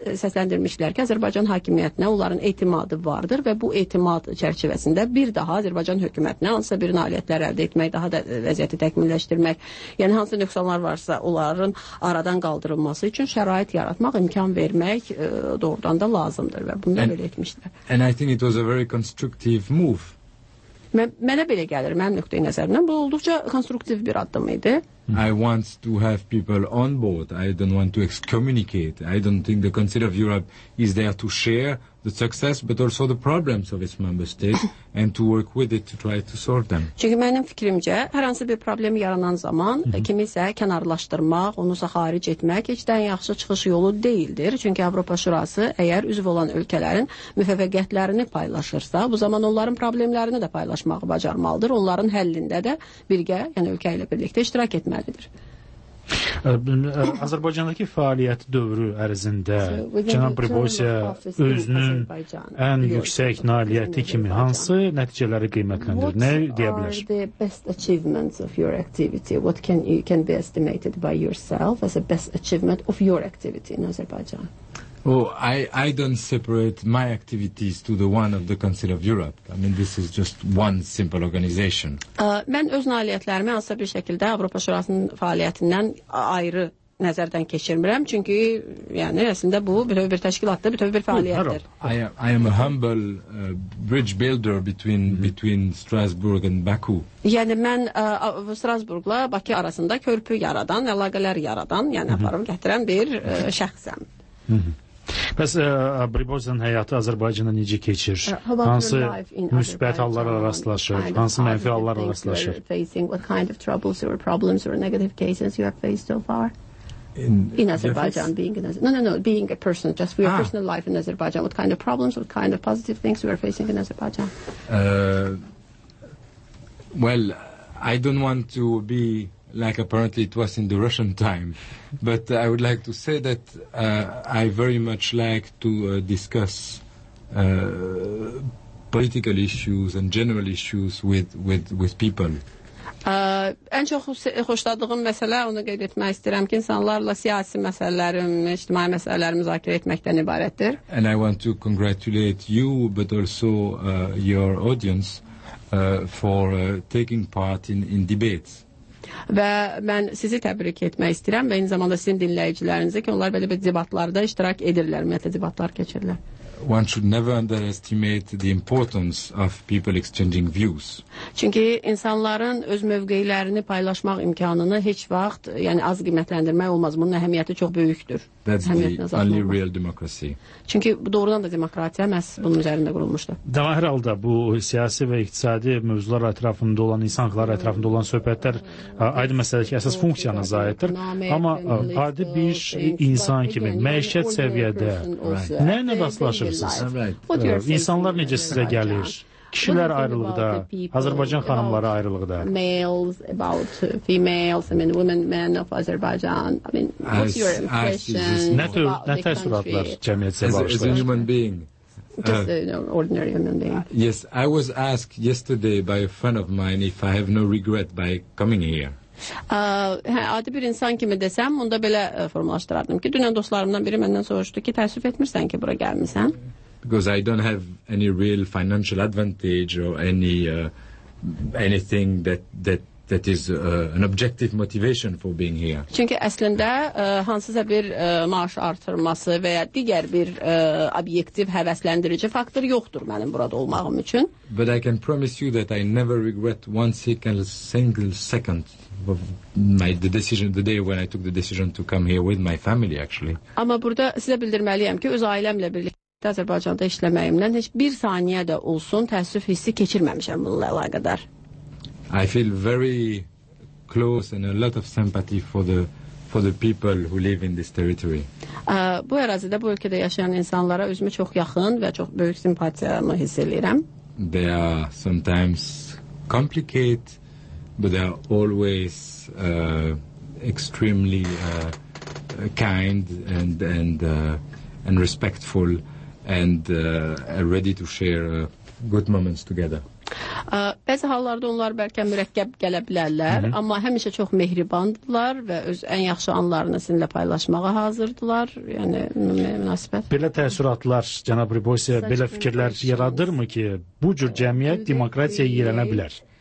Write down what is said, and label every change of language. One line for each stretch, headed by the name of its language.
Azerbaijani: səsləndirmişdilər ki, Azərbaycan hakimiyyətinə onların etimadı vardır və bu etimad çərçivəsində bir daha Azərbaycan hökumətinə hansısa bir nailiyyətlər əldə etmək, daha da vəziyyəti təkmilləşdirmək, yəni hansı nöqsanlar varsa onların aradan qaldırılması üçün şərait yaratmaq, imkan vermək doğrudan da lazımdır və bunu belə etmişdir.
English: And I think it was a very constructive move.
Azerbaijani: Mənə belə gəlir, mənim nöqtəyi nəzərimdən bu olduqca konstruktiv bir addım idi.
English: I want to have people on board. I don't want to excommunicate. I don't think the Council of Europe is there to share the success but also the problems of its member states and to work with it to try to solve them.
Azerbaijani: Çünki mənim fikrimcə, hər hansı bir problem yaranan zaman kimisə kənarlaşdırmaq, onu xaric etmək heç də yaxşı çıxış yolu deyildir. Çünki Avropa Şurası əgər üzv olan ölkələrin müvəffəqiyyətlərini paylaşırsa, bu zaman onların problemlərini də paylaşmağı bacarmalıdır. Onların həllində də birgə, yəni ölkə ilə birlikdə iştirak etməlidir. Azərbaycandakı fəaliyyət dövrü ərzində cənab Bribosiya özünün ən yüksək nailiyyəti kimi hansı nəticələri qiymətləndirir? Nə deyə bilər?
English: What are the best achievements of your activity? What can be estimated by yourself as a best achievement of your activity in Azerbaijan? Oh, I don't separate my activities to the one of the Council of Europe. I mean, this is just one simple organization.
Azerbaijani: Mən öz nailiyyətlərimi hansısa bir şəkildə Avropa Şurasının fəaliyyətindən ayrı nəzərdən keçirmirəm. Çünki, yəni, əslində bu bütöv bir təşkilatdır, bütöv bir fəaliyyətdir.
English: I am a humble bridge builder between Strasbourg and Baku.
Azerbaijani: Yəni, mən Strasbourg'la Bakı arasında körpü yaradan, əlaqələr yaradan, yəni aparım gətirən bir şəxsəm. Bəs Briboşan həyatı Azərbaycanda necə keçir? Hansı müsbət hallarla rastlaşır? Hansı mənfi hallarla rastlaşır?
English: What kind of troubles or problems or negative cases you have faced so far? In Azerbaijan, being in Azerbaijan. No, being a person, just for your personal life in Azerbaijan. What kind of problems, what kind of positive things you are facing in Azerbaijan? Well, I don't want to be like apparently it was in the Russian time, but I would like to say that I very much like to discuss political issues and general issues with people.
Azerbaijani: Ən çox xoşladığım məsələ, onu qeyd etmək istəyirəm ki, insanlarla siyasi məsələlərim, ictimai məsələlərim müzakirə etməkdən ibarətdir.
English: And I want to congratulate you, but also your audience, for taking part in debates.
Azerbaijani: Və mən sizi təbrik etmək istəyirəm və eyni zamanda sizin dinləyicilərinizi ki, onlar belə bir debatlarda iştirak edirlər, ümumiyyətlə debatlar keçirirlər.
English: One should never underestimate the importance of people exchanging views.
Azerbaijani: Çünki insanların öz mövqeylərini paylaşmaq imkanını heç vaxt, yəni az qiymətləndirmək olmaz. Bunun əhəmiyyəti çox böyükdür.
English: That's the only real democracy.
Azerbaijani: Çünki bu doğrudan da demokratiya məhz bunun üzərində qurulmuşdur. Daha hər halda bu siyasi və iqtisadi mövzular ətrafında olan, insan hüquqları ətrafında olan söhbətlər aydın məsələdir ki, əsas funksiyanız aiddir. Amma adi bir insan kimi, məişət səviyyədə nə ilə rastlaşırsınız? İnsanlar necə sizə gəlir? Kişilər ayrılıqda, Azərbaycan xanımları ayrılıqda.
English: Males, about females, I mean, women, men of Azerbaijan. I mean, what's your impression about the country?
Azerbaijani: Nə təəssüratlar cəmiyyətə bağışlar?
English: As a human being. Ordinary human being. Yes, I was asked yesterday by a friend of mine if I have no regret by coming here.
Azerbaijani: Adi bir insan kimi desəm, onda belə formalaşdırardım ki, dünən dostlarımdan biri məndən soruşdu ki, təəssüf etmirsən ki, bura gəlmirsən?
English: Because I don't have any real financial advantage or anything that is an objective motivation for being here.
Azerbaijani: Çünki əslində hansısa bir maaş artırması və ya digər bir obyektiv həvəsləndirici faktor yoxdur mənim burada olmağım üçün.
English: But I can promise you that I never regret one single second of the day when I took the decision to come here with my family actually.
Azerbaijani: Amma burada sizə bildirməliyəm ki, öz ailəmlə birlikdə Azərbaycanda işləməyimdən heç bir saniyə də olsun təəssüf hissi keçirməmişəm bununla əlaqədar.
English: I feel very close and a lot of sympathy for the people who live in this territory.
Azerbaijani: Bu ərazidə, bu ölkədə yaşayan insanlara özümü çox yaxın və çox böyük simpatiyamı hiss edirəm.
English: They are sometimes complicated, but they are always extremely kind and respectful. And ready to share good moments together.
Azerbaijani: Bəzi hallarda onlar bəlkə mürəkkəb gələ bilərlər, amma həmişə çox mehribandılar və öz ən yaxşı anlarını sizinlə paylaşmağa hazırdılar. Yəni münasibət. Belə təəssüratlar cənab Briboşa belə fikirlər yaradır mı ki, bu cür cəmiyyət demokratiyaya yiyələnə bilər?